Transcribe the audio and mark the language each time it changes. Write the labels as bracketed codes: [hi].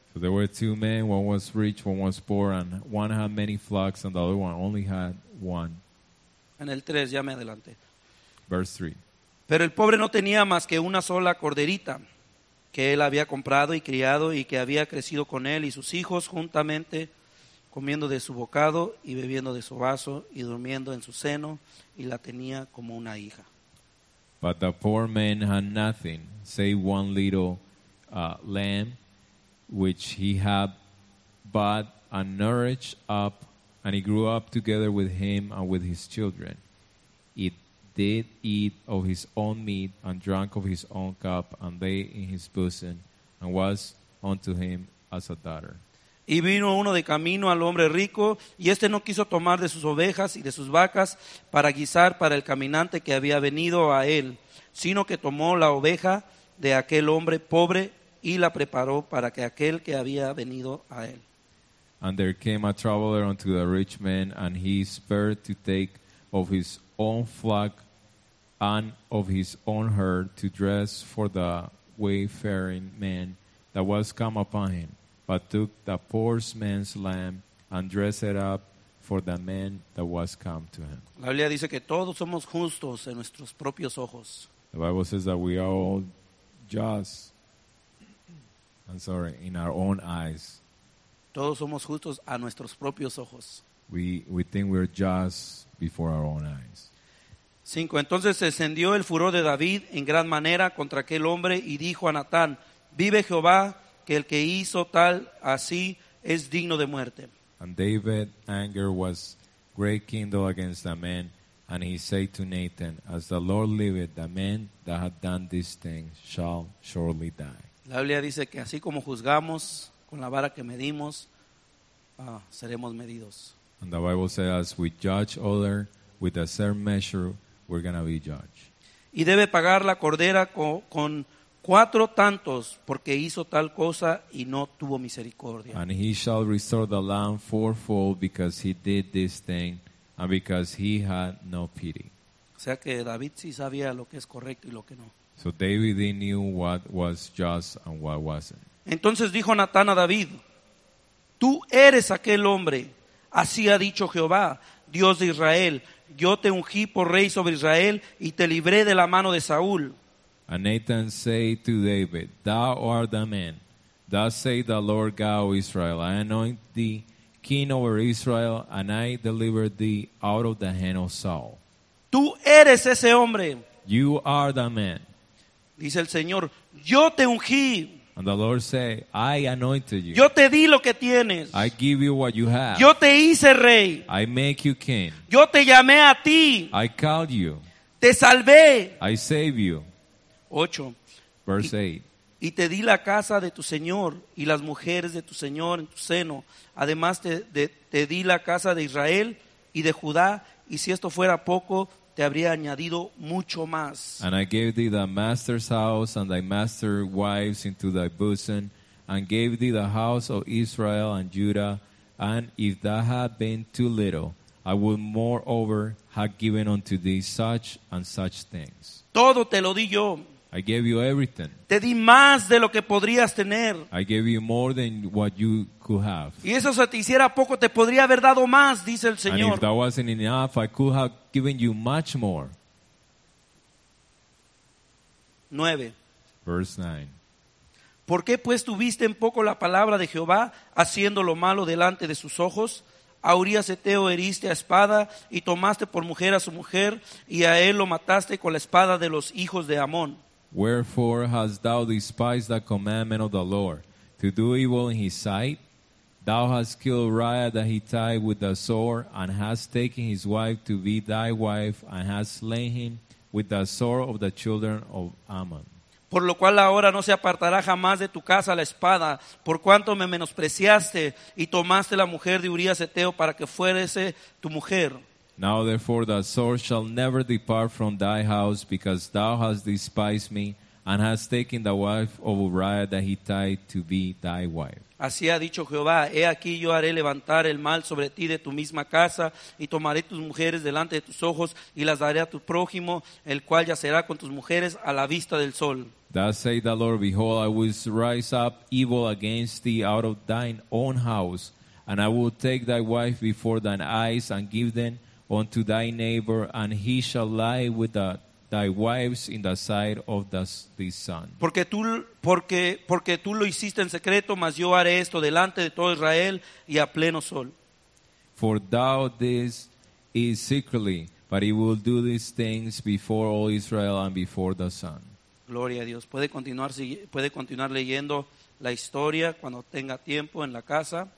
[en] So there were two men, one was rich, one was poor, and one had many flocks, and the other one only had one. [es] En el 3, ya me adelanté. [en] Verse 3. [es] Pero el pobre no tenía más que una sola corderita que él había comprado y criado y que había crecido con él y sus hijos juntamente, comiendo de su bocado y bebiendo de su vaso y durmiendo en su seno, y la tenía como una hija. [en] But the poor man had nothing save one little lamb which he had bought and nourished up, and he grew up together with him and with his children. It did eat of his own meat and drank of his own cup and lay in his bosom and was unto him as a daughter. [es] Y vino uno de camino al hombre rico, y este no quiso tomar de sus ovejas y de sus vacas para guisar para el caminante que había venido a él, sino que tomó la oveja de aquel hombre pobre y la preparó para que aquel que había venido a él. [en] And there came a traveler unto the rich man, and he spared to take of his own flock and of his own herd to dress for the wayfaring man that was come upon him, but took the poor man's lamb and dressed it up for the man that was come to him. [es] La Biblia dice que todos somos justos en nuestros propios ojos. [en] The Bible says that we are all just, in our own eyes. [es] Todos somos justos a nuestros propios ojos. [en] We think we're just before our own eyes. [es] 5. Entonces se encendió el furor de David en gran manera contra aquel hombre, y dijo a Natán, vive Jehová, que el que hizo tal así es digno de muerte. [en] And David's anger was great kindled against the man, and he said to Nathan, as the Lord liveth, the man that had done this thing shall surely die. [es] La Biblia dice que así como juzgamos con la vara que medimos, seremos medidos. [en] And the Bible says, as we judge other with a certain measure, we're going to be judged. [es] Y debe pagar la cordera con cuatro tantos, porque hizo tal cosa y no tuvo misericordia. [en] And he shall restore the lamb fourfold because he did this thing and because he had no pity. [es] O sea que David sí sabía lo que es correcto y lo que no. [en] So David knew what was just and what wasn't. [es] Entonces dijo Natán a David, tú eres aquel hombre, así ha dicho Jehová, Dios de Israel, yo te ungí por rey sobre Israel y te libré de la mano de Saúl. [en] And Nathan said to David, thou art the man. Thus saith the Lord God of Israel, I anoint thee king over Israel, and I deliver thee out of the hand of Saul. [es] Tú eres ese hombre. [en] You are the man. [es] Dice el Señor, yo te ungí. [en] And the Lord said, I anointed you. [es] Yo te di lo que tienes. [en] I give you what you have. [es] Yo te hice rey. [en] I make you king. [es] Yo te llamé a ti. [en] I called you. [es] Te salvé. [en] I save you. [es] 8. [en] Verse 8. [es] Y te di la casa de tu Señor y las mujeres de tu Señor en tu seno. Además, te di la casa de Israel y de Judá. Y si esto fuera poco, te habría añadido mucho más. [en] And I gave thee thy master's house and thy master's wives into thy bosom, and gave thee the house of Israel and Judah. And if that had been too little, I would moreover have given unto thee such and such things. [es] Todo te lo di yo. [en] I gave you everything. [es] Te di más de lo que podrías tener. [en] I gave you more than what you could have. [es] Y eso se te hiciera poco, te podría haber dado más, dice el Señor. [en] And if that wasn't enough, I could have given you much more. [es] 9. [en] Verse 9. [es] ¿Por qué pues tuviste en poco la palabra de Jehová, haciendo lo malo delante de sus ojos? A Urías heteo heriste a espada, y tomaste por mujer a su mujer, y a él lo mataste con la espada de los hijos de Amón. [en] Wherefore hast thou despised the commandment of the Lord to do evil in his sight? Thou hast killed Uriah the Hittite with the sword, and hast taken his wife to be thy wife, and hast slain him with the sword of the children of Ammon. [es] Por lo cual ahora no se apartará jamás de tu casa la espada, por cuanto me menospreciaste y tomaste la mujer de Urías heteo para que fuese tu mujer. [en] Now therefore the sword shall never depart from thy house, because thou hast despised me and hast taken the wife of Uriah the Hittite to be thy wife. [es] Así ha dicho Jehová, he aquí yo haré levantar el mal sobre ti de tu misma casa, y tomaré tus mujeres delante de tus ojos, y las daré a tu prójimo, el cual yacerá con tus mujeres a la vista del sol. [en] Thus saith the Lord, behold, I will rise up evil against thee out of thine own house, and I will take thy wife before thine eyes and give them unto thy neighbor, and he shall lie with thy wives in the sight of the sun. [es] Porque tú lo hiciste en secreto, mas yo haré esto delante de todo Israel y a pleno sol. [en] For thou this is secretly, but he will do these things before all Israel and before the sun. [es] Gloria a Dios. Puede continuar leyendo la historia cuando tenga tiempo en la casa.